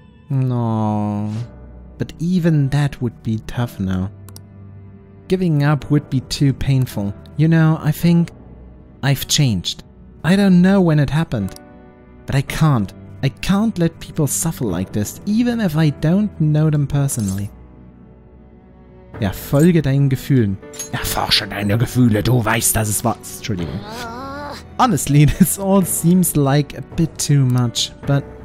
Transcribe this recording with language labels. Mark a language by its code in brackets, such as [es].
[en] No, but even that would be tough now. Giving up would be too painful. You know, I think I've changed. I don't know when it happened, but I can't. I can't let people suffer like this, even if I don't know them personally. [de] Ja, folge deinen Gefühlen. Erforsche deine Gefühle, du weißt, dass es war... Entschuldigung. [en] Honestly, this all seems like a bit too much, but...